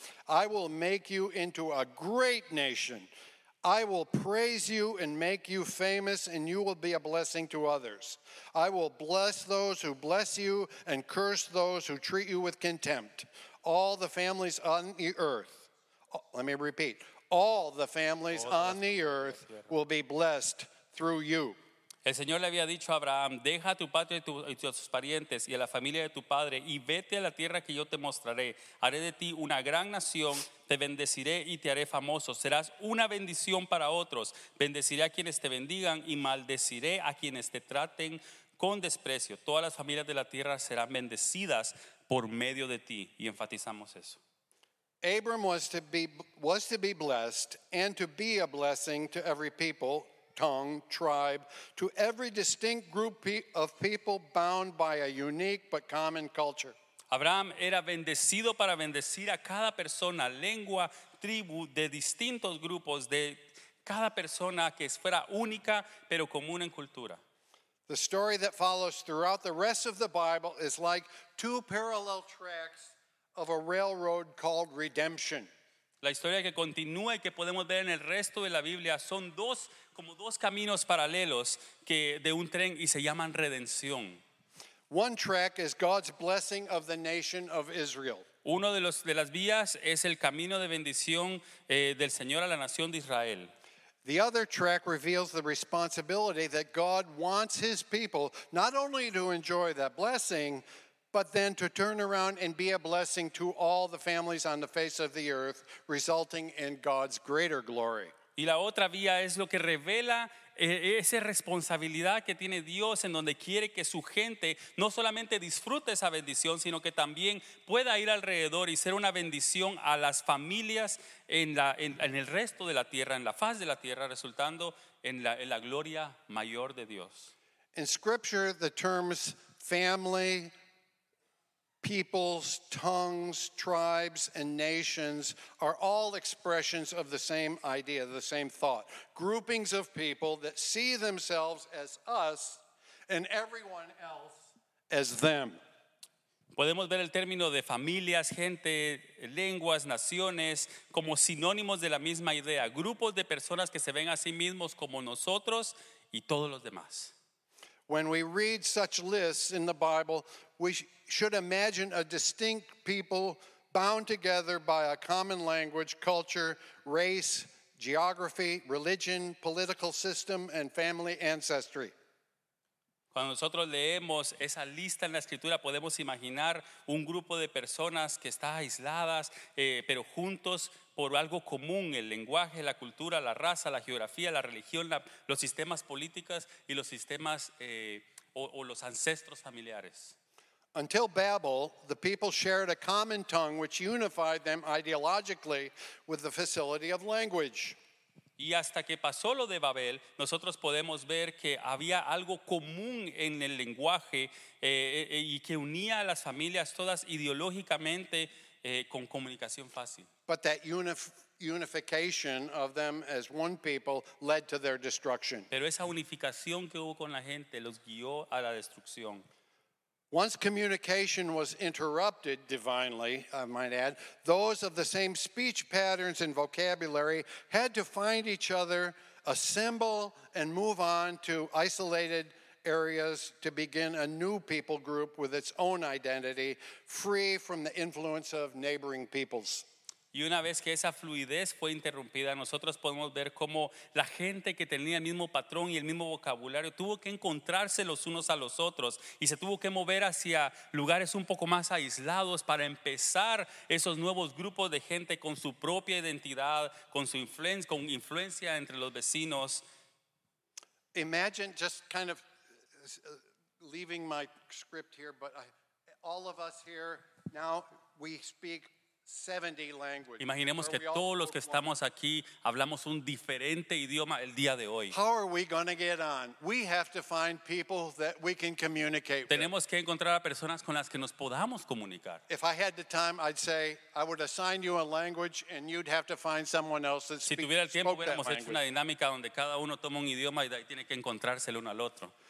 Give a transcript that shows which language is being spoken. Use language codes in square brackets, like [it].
[en] I will make you into a great nation. I will praise you and make you famous, and you will be a blessing to others. I will bless those who bless you and curse those who treat you with contempt. All the families on the earth, let me repeat, all the families on the earth will be blessed through you. [es] El Señor le había dicho a Abraham, deja a tu patria y a tus parientes y a la familia de tu padre y vete a la tierra que yo te mostraré. Haré de ti una gran nación, te bendeciré y te haré famoso. Serás una bendición para otros. Bendeciré a quienes te bendigan y maldeciré a quienes te traten con desprecio. Todas las familias de la tierra serán bendecidas por medio de ti. Y enfatizamos eso. [en] Abram was to be blessed and to be a blessing to every people, tongue, tribe, to every distinct group of people bound by a unique but common culture. [es] Abraham era bendecido para bendecir a cada persona, lengua, tribu, de distintos grupos, de cada persona que fuera única pero común en cultura. [en] The story that follows throughout the rest of the Bible is like two parallel tracks of a railroad called redemption. [es] La historia que continúa y que podemos ver en el resto de la Biblia son dos, como dos caminos paralelos que de un tren y se llaman redención. [en] One track is God's blessing of the nation of Israel. [es] Uno de las vías es el camino de bendición del Señor a la nación de Israel. [en] The other track reveals the responsibility that God wants his people not only to enjoy that blessing, but then to turn around and be a blessing to all the families on the face of the earth, resulting in God's greater glory. [es] Y la otra vía es lo que revela esa responsabilidad que tiene Dios en donde quiere que su gente no solamente disfrute esa bendición, sino que también pueda ir alrededor y ser una bendición a las familias en el resto de la tierra, en la faz de la tierra, resultando en la gloria mayor de Dios. [en] In Scripture, the terms family, peoples, tongues, tribes, and nations are all expressions of the same idea, the same thought. Groupings of people that see themselves as us and everyone else as them. [es] Podemos ver el término de familias, gente, lenguas, naciones como sinónimos de la misma idea. Grupos de personas que se ven a sí mismos como nosotros y todos los demás. [en] When we read such lists in the Bible, we should imagine a distinct people bound together by a common language, culture, race, geography, religion, political system, and family ancestry. [es] Cuando nosotros leemos esa lista en la escritura, podemos imaginar un grupo de personas que está aisladas, pero juntos por algo común, el lenguaje, la cultura, la raza, la geografía, la religión, los sistemas políticos y los sistemas o los ancestros familiares. [en] Until Babel, the people shared a common tongue which unified them ideologically with the facility of language. [es] Y hasta que pasó lo de Babel, nosotros podemos ver que había algo común en el lenguaje y que unía a las familias todas ideológicamente con comunicación fácil. [en] But that unification of them as one people led to their destruction. [es] Pero esa unificación que hubo con la gente los guió a la destrucción. [en] Once communication was interrupted divinely, I might add, those of the same speech patterns and vocabulary had to find each other, assemble, and move on to isolated areas to begin a new people group with its own identity, free from the influence of neighboring peoples. [es] Y una vez que esa fluidez fue interrumpida, nosotros podemos ver cómo la gente que tenía el mismo patrón y el mismo vocabulario tuvo que encontrarse los unos a los otros y se tuvo que mover hacia lugares un poco más aislados para empezar esos nuevos grupos de gente con su propia identidad, con su influencia, con influencia entre los vecinos. [en] Imagine just kind of leaving my script here, but all of us here now we speak 70 languages. [es] Imaginemos que todos los que estamos aquí hablamos un diferente idioma el día de hoy. [en] How are we going to get on? We have to find people that we can communicate with. [es] Tenemos que encontrar a personas con las que nos podamos comunicar. [en] If I had the time, I'd say I would assign you a language and you'd have to find someone else that speaks. [es] Si tuviera el tiempo, hubiéramos hecho una dinámica donde cada uno toma un idioma y tiene que encontrarse el uno al otro.